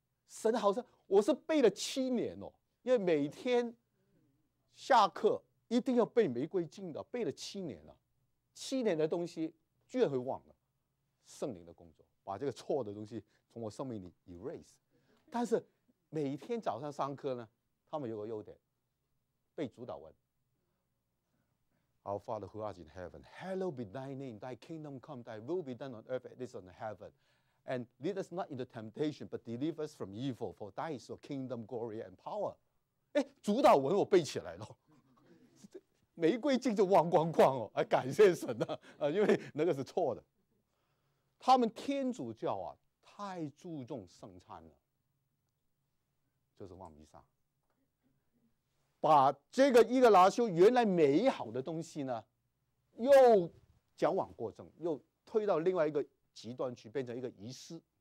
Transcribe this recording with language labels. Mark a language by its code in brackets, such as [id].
[zh] 神好像我是背了七年哦，因为每天下课一定要背玫瑰经的，背了七年了，七年的东西居然会忘了。圣灵的工作，把这个错的东西从我生命里 erase。但是每天早上上课呢，他们有个优点，背主导文。 [en] Our Father who art in heaven, hallowed be thy name, thy kingdom come, thy will be done on earth as it is on heaven, and lead us not into temptation, but deliver us from evil, for thy is your kingdom, glory and power。 [zh] 主导文我背起来了，玫瑰经就忘光光了，感谢神啊，因为那个是错的。他们天主教啊，太注重圣餐了，就是望弥撒，把这个伊格拉修原来美好的东西呢，又矫枉过正，又推到另外一个极端去，变成一个仪式。